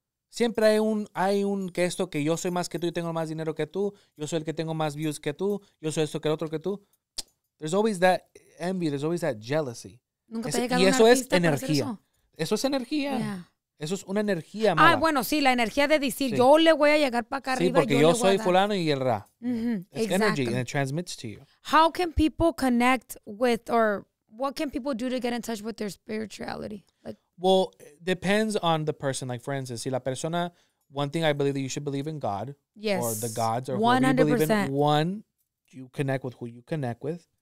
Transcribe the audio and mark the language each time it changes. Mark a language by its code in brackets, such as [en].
[es] Siempre hay un que esto que yo soy más que tú, yo tengo más dinero que tú, yo soy el que tengo más views que tú, yo soy esto que el otro que tú. [en] There's always that envy, there's always that jealousy. [es] Nunca y eso es energía. Eso es energía. Yeah. Eso es una energía mala. Ah, bueno, sí, la energía de decir, sí, yo le voy a llegar para acá arriba. Sí, porque yo soy fulano y el ra. Mm-hmm. [en] It's energy and it transmits to you. How can people connect with or what can people do to get in touch with their spirituality? Like, well, it depends on the person. Like, for instance, [es] si la persona, [en] one thing I believe that you should believe in God. Yes. Or the gods. Or 100%. Whoever you believe in. One, you connect with who you connect with.